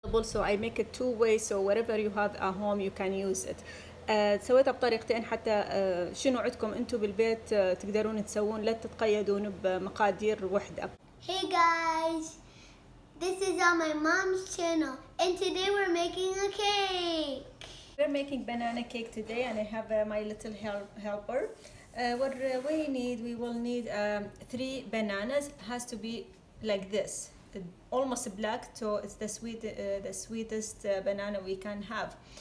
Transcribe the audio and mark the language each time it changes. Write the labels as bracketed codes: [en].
[en] So I make it two ways, so whatever you have at home you can use it. [ar] سويتها بطريقتين حتى شنو عندكم انتم بالبيت تقدرون تسوون، لا تتقيدون بمقادير واحدة. [en] Hey guys, this is on my mom's channel and today we're making a cake. We're making banana cake today and I have my little helper. What we need, we will need three bananas. It has to be like this. Almost black, so it's the sweetest banana we can have.